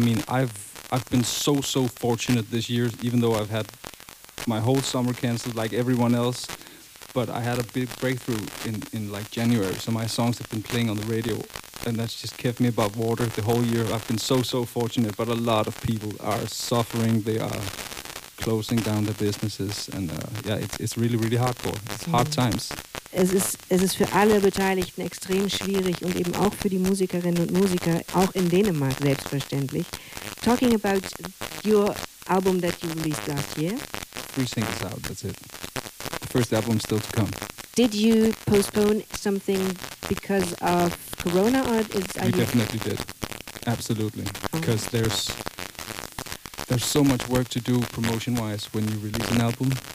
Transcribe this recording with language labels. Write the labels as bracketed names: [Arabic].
[English] I've been so fortunate this year, even though I've had my whole summer canceled like everyone else, but I had a big breakthrough in like January, so my songs have been playing on the radio, and that's just kept me above water the whole year. I've been so fortunate, but a lot of people are suffering. They are closing down their businesses, and it's really, really hardcore. It's hard times. [German] Es ist für alle Beteiligten extrem schwierig und eben auch für die Musikerinnen und Musiker, auch in Dänemark selbstverständlich. [English] Talking about your album that you released last year. 3 singles out, that's it. The first album still to come. Did you postpone something because of Corona? We definitely did. Absolutely. Because there's so much work to do promotion-wise when you release an album.